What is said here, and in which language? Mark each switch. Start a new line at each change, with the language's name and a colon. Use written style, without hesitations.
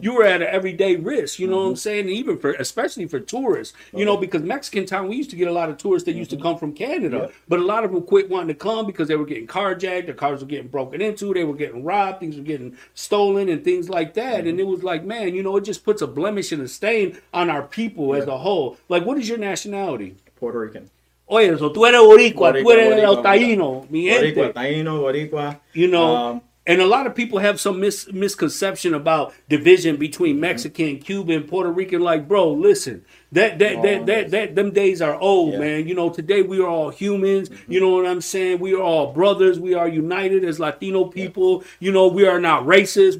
English: you were at an everyday risk, you know mm-hmm. what I'm saying? Even for, especially for tourists, you know, because Mexican town, we used to get a lot of tourists that mm-hmm. used to come from Canada. Yep. But a lot of them quit wanting to come because they were getting carjacked. Their cars were getting broken into. They were getting robbed. Things were getting stolen and things like that. Mm-hmm. And it was like, man, you know, it just puts a blemish and a stain on our people as a whole. Like, what is your nationality? Puerto Rican.
Spanish: Oye, so tú eres boricua, tú eres el taíno, mi gente. Boricua, taíno, boricua.
English: You know, and a lot of people have some misconception about division between Mexican, Cuban, Puerto Rican. Like, bro, listen, that them days are old, man. You know, today we are all humans. Mm-hmm. You know what I'm saying? We are all brothers. We are united as Latino people. Yeah. You know, we are not racist.